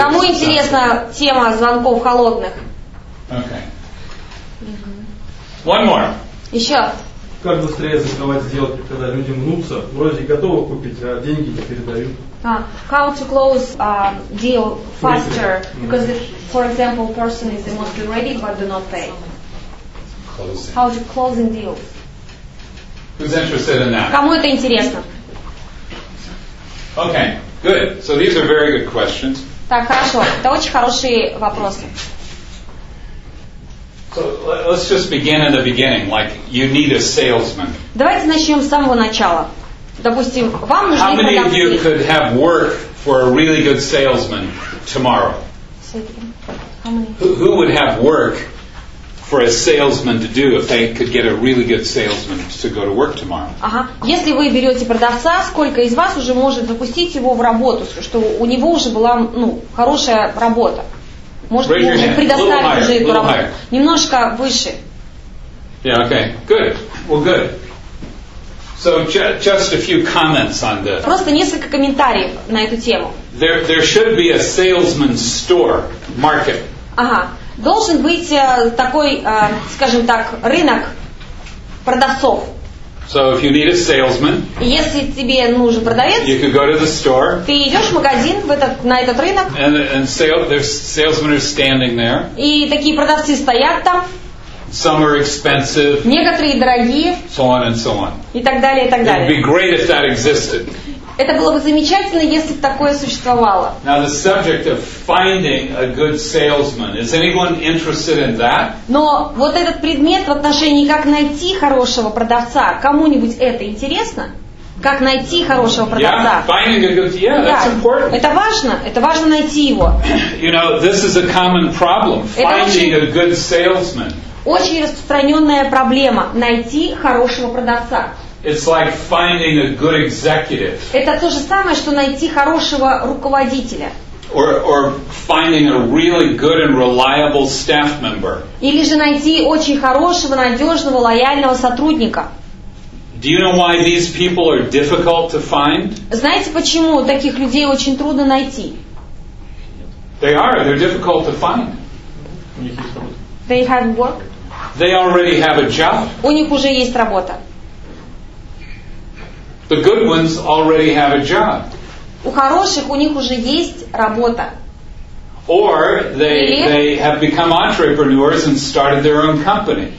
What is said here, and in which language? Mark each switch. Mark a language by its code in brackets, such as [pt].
[ru] Кому интересна тема звонков холодных? [en] Okay. One more. [ru] Еще. Как быстрее закрывать сделки, когда люди мнутся, вроде готовы купить, а деньги не передают? [en] How to close a deal faster? Because, if, for example, person is mostly ready but do not pay. Closing. How to closing deal? Who's interested in that? [ru] Кому это интересно? [en] Okay, good. So these are very good questions. [ru] Так, хорошо. Это очень хорошие вопросы. [en] So let's just begin in the beginning. Like you need a salesman. [ru] Давайте начнем с самого начала. Допустим, вам нужны продавцы. [en] How many of you could have work for a really good salesman tomorrow? How many? Who would have work for a salesman to do if they could get a really good salesman to go to work tomorrow. [ru] Ага. Если вы берете продавца, сколько из вас уже может запустить его в работу, чтобы у него уже была, ну, хорошая работа? Может, ему уже предоставить уже эту работу? Немножко выше. [en] Yeah, okay. Good. Well, good. So just a few comments on this. [ru] Просто несколько комментариев на эту тему. [en] There should be a salesman's store market. [ru] Ага. Должен быть такой, скажем так, рынок продавцов. [en] So if you need a salesman, [ru] если тебе нужен продавец, [en] you can go to the store, [ru] ты идешь в магазин на этот рынок, [en] and there's salesmen are standing there. [ru] И такие продавцы стоят там. [en] Some are expensive. [ru] Некоторые дорогие. [en] So on and so on. [ru] И так далее, и так далее. [en] It would be great if that existed. [ru] Это было бы замечательно, если бы такое существовало. [en] Now the subject of finding a good salesman. Is anyone interested in that? [ru] Но вот этот предмет в отношении как найти хорошего продавца, кому-нибудь это интересно? Как найти хорошего продавца? [en] Yeah, finding a good, yeah, yeah. That's important. [ru] Это важно найти его. [en] You know, this is a common problem. Finding a good salesman. [ru] Очень распространенная проблема – найти хорошего продавца. [en] It's like finding a good executive. [ru] Это то же самое, что найти хорошего руководителя. [en] Or finding a really good and reliable staff member. [ru] Или же найти очень хорошего, надежного, лояльного сотрудника. [en] Do you know why these people are difficult to find? [ru] Знаете, почему таких людей очень трудно найти? [en] They are. They're difficult to find. [ru] They have work. [en] They already have a job. [ru] У них уже есть работа. [en] The good ones already have a job. [ru] У хороших у них уже есть работа. [en] Or they have become entrepreneurs and started their own company.